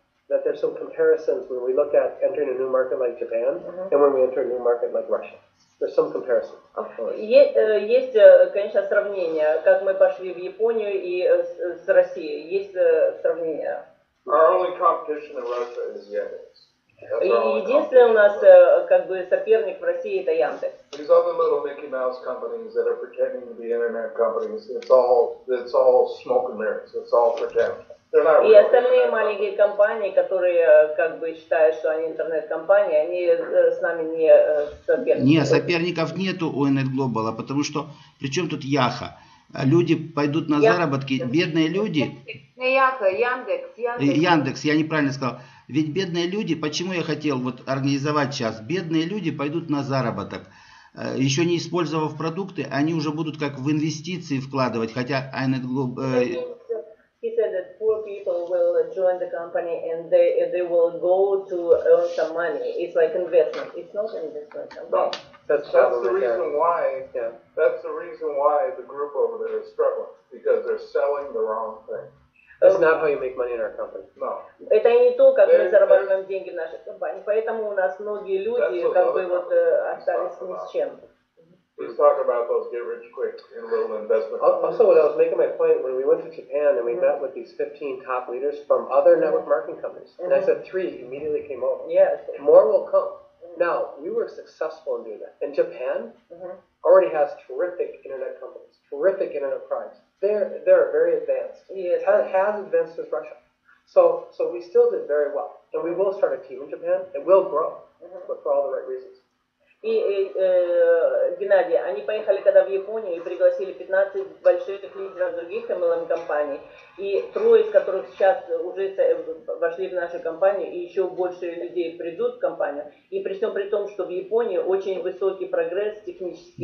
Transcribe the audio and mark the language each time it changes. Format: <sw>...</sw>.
<en>That there's some comparisons when we look at entering a new market like Japan and when we enter a new market like Russia. There's some comparisons. Okay.</en> <ru>Есть, конечно, сравнение, как мы пошли в Японию и с Россией. Есть сравнение.</ru> <en>Our only competition in Russia is Yandex.</en> <ru>Единственный у нас как бы соперник в России это Яндекс.</ru> <en>These other little Mickey Mouse companies that are pretending to be internet companies, it's all smoke and mirrors. It's all pretend.</en> <ru>И остальные маленькие компании, которые как бы считают, что они интернет-компании, они с нами не соперники. Нет, соперников нету у Anet Global, потому что при чем тут Яха? Люди пойдут на заработки, бедные люди. Не Яха, Яндекс. Яндекс, я неправильно сказал. Ведь бедные люди, почему я хотел вот организовать сейчас? Бедные люди пойдут на заработок. Еще не использовав продукты, они уже будут как в инвестиции вкладывать, хотя Anet Global.</ru> <en>He said that poor people will join the company and they will go to earn some money. It's like investment. It's not an investment company. No, that's the reason why. Yeah. That's the reason why the group over there is struggling because they're selling the wrong thing. That's not how you make money in our company. No.</en> <ru>Это не то, как мы зарабатываем деньги в нашей компании. Поэтому у нас многие люди как бы вот остались ни с чем.</ru> <en>Let's talk about those get rich quick and little investment. Also, when I was making my point, when we went to Japan and we met with these 15 top leaders from other network marketing companies, and I said three immediately came over. Yes. More will come. Now, we were successful in doing that. And Japan already has terrific internet companies, terrific internet products. They're very advanced. Yes. Has advanced as Russia. So we still did very well. And we will start a team in Japan. It will grow, but for all the right reasons.</en> <ru>И Геннадий, они поехали когда в Японию и пригласили 15 больших лидеров других MLM-компаний. И трое из которых сейчас уже вошли в нашу компанию, и еще больше людей придут в компанию. И при всем при том, что в Японии очень высокий прогресс технический.</ru>